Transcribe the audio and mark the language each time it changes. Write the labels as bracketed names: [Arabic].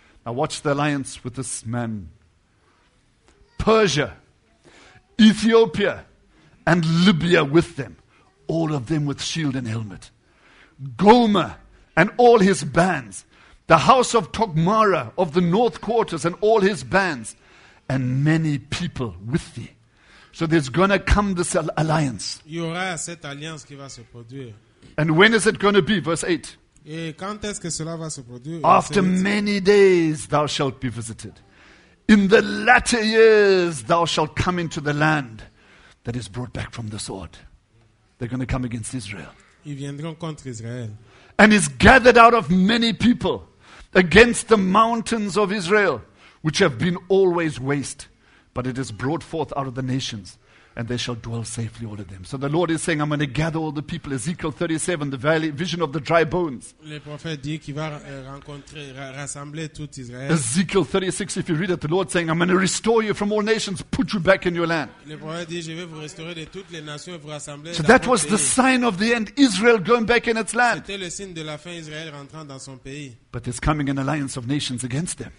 [English] Now watch the alliance with this man. Persia, Ethiopia, and Libya with them, all of them with shield and helmet. Gomer and all his bands, the house of Togmara of the north quarters and all his bands, and many people with thee. So there's going to come this alliance. [French] Il y aura cette alliance qui va se produire. [English] And when is it going to be? Verse 8. [French] Et quand est-ce que cela va se produire? [English] After many days thou shalt be visited. In the latter years thou shalt come into the land that is brought back from the sword. They're going to come against Israel. [French] Ils viendront contre Israël. [English] And is gathered out of many people against the mountains of Israel, which have been always waste, but it is brought forth out of the nations, and they shall dwell safely, all of them. So the Lord is saying, I'm going to gather all the people. Ezekiel 37, the valley, vision of the dry bones. [French] Le prophète dit qu'il va rencontrer, rassembler tout Israël. [English] Ezekiel 36, if you read it, the Lord is saying, I'm going to restore you from all nations, put you back in your land. [French] Le prophète dit, je vais vous restaurer de toutes les nations et vous rassembler. [English] So that was [French] pays. [English] The sign of the end, Israel going back in its land. [French] C'était le signe de la fin, Israël rentrant dans son pays. [English] But there's coming an alliance of nations against them.